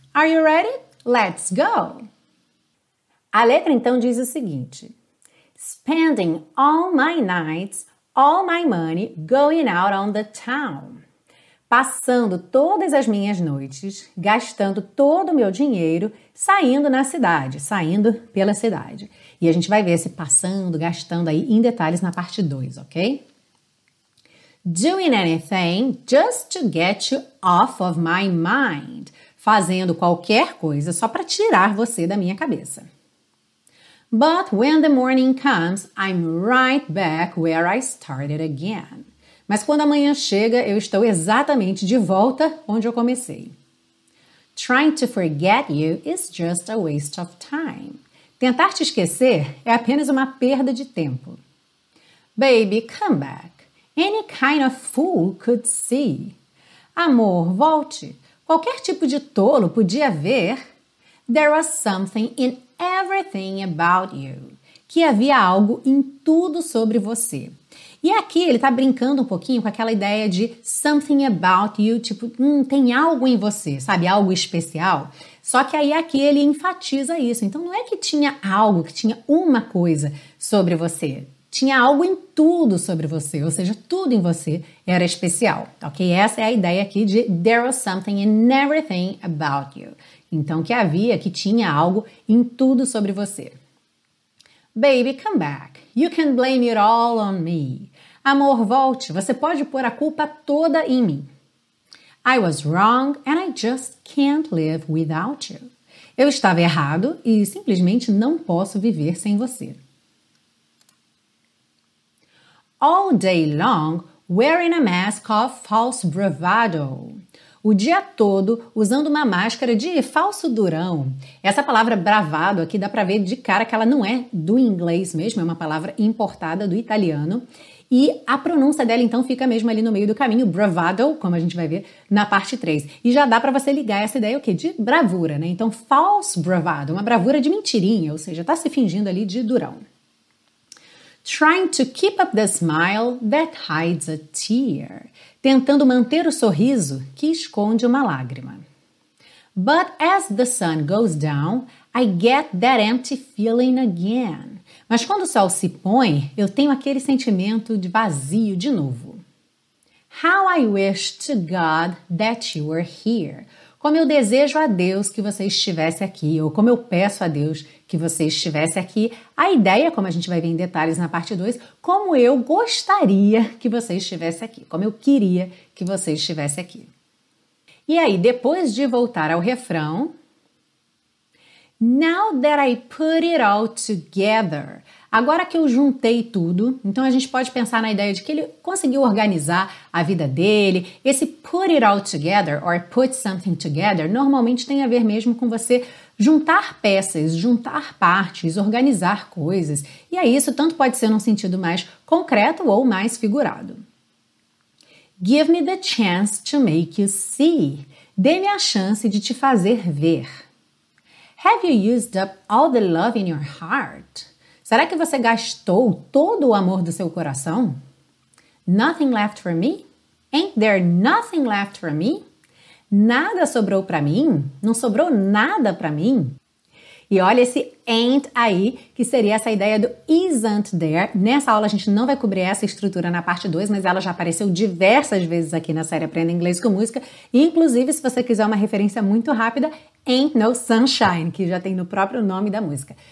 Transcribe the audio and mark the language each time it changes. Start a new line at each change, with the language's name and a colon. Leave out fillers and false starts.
English: Are you ready? Let's go!
Portuguese: A letra então diz o seguinte:
English: Spending all my nights, all my money going out on the town.
Portuguese: Passando todas as minhas noites, gastando todo o meu dinheiro, saindo na cidade, saindo pela cidade. E a gente vai ver esse passando, gastando aí em detalhes na parte 2, ok?
English: Doing anything just to get you off of my mind.
Portuguese: Fazendo qualquer coisa só para tirar você da minha cabeça.
English: But when the morning comes, I'm right back where I started again.
Portuguese: Mas quando a manhã chega, eu estou exatamente de volta onde eu comecei.
English: Trying to forget you is just a waste of time.
Portuguese: Tentar te esquecer é apenas uma perda de tempo.
English: Baby, come back. Any kind of fool could see.
Portuguese: Amor, volte. Qualquer tipo de tolo podia ver.
English: There was something in everything about you.
Portuguese: Que havia algo em tudo sobre você. E aqui ele está brincando um pouquinho com aquela ideia de
English: something about you,
Portuguese: tipo, tem algo em você, sabe, algo especial. Só que aí aqui ele enfatiza isso. Então não é que tinha algo, que tinha uma coisa sobre você. Tinha algo em tudo sobre você, ou seja, tudo em você era especial, ok? Essa é a ideia aqui de
English: there was something in everything about you.
Portuguese: Então que havia, que tinha algo em tudo sobre você.
English: Baby, come back. You can blame it all on me.
Portuguese: Amor, volte. Você pode pôr a culpa toda em mim.
English: I was wrong and I just can't live without you.
Portuguese: Eu estava errado e simplesmente não posso viver sem você.
English: All day long, wearing a mask of false bravado.
Portuguese: O dia todo, usando uma máscara de falso durão. Essa palavra bravado aqui dá pra ver de cara que ela não é do inglês mesmo, é uma palavra importada do italiano. E a pronúncia dela, então, fica mesmo ali no meio do caminho, bravado, como a gente vai ver na parte 3. E já dá pra você ligar essa ideia, o quê? De bravura, né? Então, false bravado, uma bravura de mentirinha, ou seja, tá se fingindo ali de durão.
English: Trying to keep up the smile that hides a tear.
Portuguese: Tentando manter o sorriso que esconde uma lágrima.
English: But as the sun goes down, I get that empty feeling again.
Portuguese: Mas quando o sol se põe, eu tenho aquele sentimento de vazio de novo.
English: How I wish to God that you were here.
Portuguese: Como eu desejo a Deus que você estivesse aqui, ou como eu peço a Deus que você estivesse aqui. A ideia, como a gente vai ver em detalhes na parte 2, como eu gostaria que você estivesse aqui, como eu queria que você estivesse aqui. E aí, depois de voltar ao refrão,
English: Now that I put it all together.
Portuguese: Agora que eu juntei tudo, então a gente pode pensar na ideia de que ele conseguiu organizar a vida dele. Esse
English: put it all together,
Portuguese: or
English: put something together,
Portuguese: normalmente tem a ver mesmo com você juntar peças, juntar partes, organizar coisas. E aí isso tanto pode ser num sentido mais concreto ou mais figurado.
English: Give me the chance to make you see.
Portuguese: Dê-me a chance de te fazer ver.
English: Have you used up all the love in your heart?
Portuguese: Será que você gastou todo o amor do seu coração?
English: Nothing left for me? Ain't there nothing left for me?
Portuguese: Nada sobrou para mim? Não sobrou nada para mim? E olha esse ain't aí, que seria essa ideia do
English: isn't there.
Portuguese: Nessa aula a gente não vai cobrir essa estrutura na parte 2, mas ela já apareceu diversas vezes aqui na série Aprenda Inglês com Música. Inclusive, se você quiser uma referência muito rápida, Ain't No Sunshine, que já tem no próprio nome da música.